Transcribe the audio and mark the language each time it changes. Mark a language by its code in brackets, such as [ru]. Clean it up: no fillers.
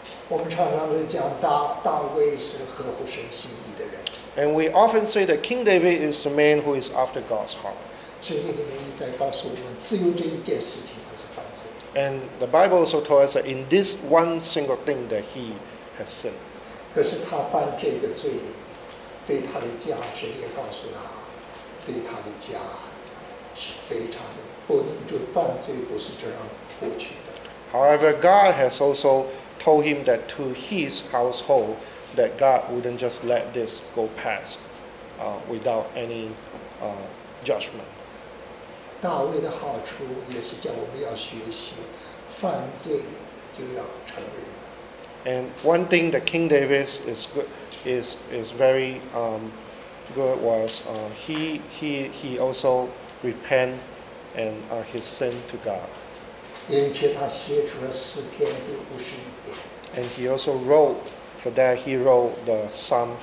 [en] And we often say that King David is the man who is after God's heart. And the Bible also told us that in this one single thing that he has sinned. [zh] 可是他犯这个罪，对他的家，神也告诉他，对他的家是非常的不能就犯罪，不是这样过去的。 [en] However, God has also told him that to his household, that God wouldn't just let this go past, without any, judgment. [zh] 大卫的好处也是叫我们要学习，犯罪就要承认。 [en] And one thing that King David is very good was he also repent and his sin to God. And he also wrote, for that he wrote the Psalm